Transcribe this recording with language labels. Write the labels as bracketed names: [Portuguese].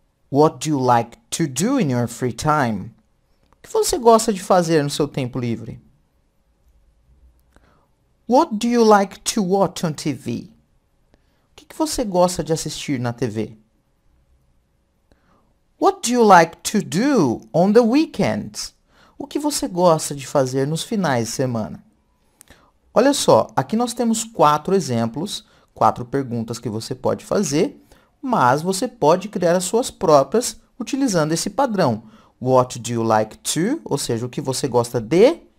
[English] What do you like to do in your free time? [Portuguese] O que você gosta de fazer no seu tempo livre? [English] What do you like to watch on TV? [Portuguese] O que você gosta de assistir na TV? [English] What do you like to do on the weekends? [Portuguese] O que você gosta de fazer nos finais de semana? Olha só, aqui nós temos quatro exemplos, quatro perguntas que você pode fazer, mas você pode criar as suas próprias utilizando esse padrão. [English] What do you like to? [Portuguese] Ou seja, o que você gosta de?